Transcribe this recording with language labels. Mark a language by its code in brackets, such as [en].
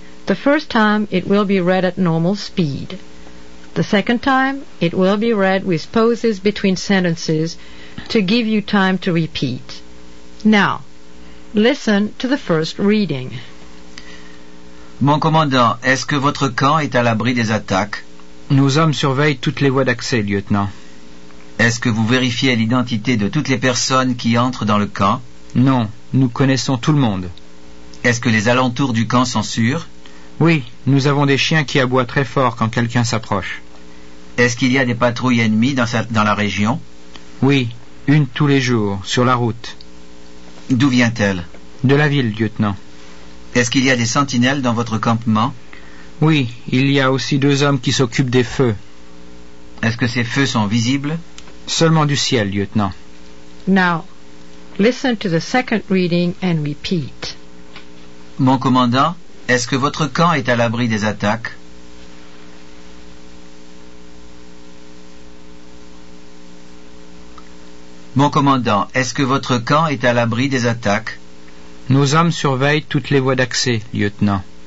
[en] The first time it will be read at normal speed. The second time, it will be read with pauses between sentences to give you time to repeat. Now, listen to the first reading. [fr] Mon commandant, est-ce que votre camp est à l'abri des attaques? Nos hommes surveillent toutes les voies d'accès, lieutenant. Est-ce que vous vérifiez l'identité de toutes les personnes qui entrent dans le camp? Non, nous connaissons tout le monde. Est-ce que les alentours du camp sont sûrs? Oui, nous avons des chiens qui aboient très fort quand quelqu'un s'approche. Est-ce qu'il y a des patrouilles ennemies dans la région? Oui, une tous les jours, sur la route. D'où vient-elle? De la ville, lieutenant. Est-ce qu'il y a des sentinelles dans votre campement? Oui, il y a aussi deux hommes qui s'occupent des feux. Est-ce que ces feux sont visibles? Seulement du ciel, lieutenant. [en] Now, listen to the second reading and repeat. [fr] Mon commandant, est-ce que votre camp est à l'abri des attaques? Mon commandant, est-ce que votre camp est à l'abri des attaques? Nos hommes surveillent toutes les voies d'accès, lieutenant.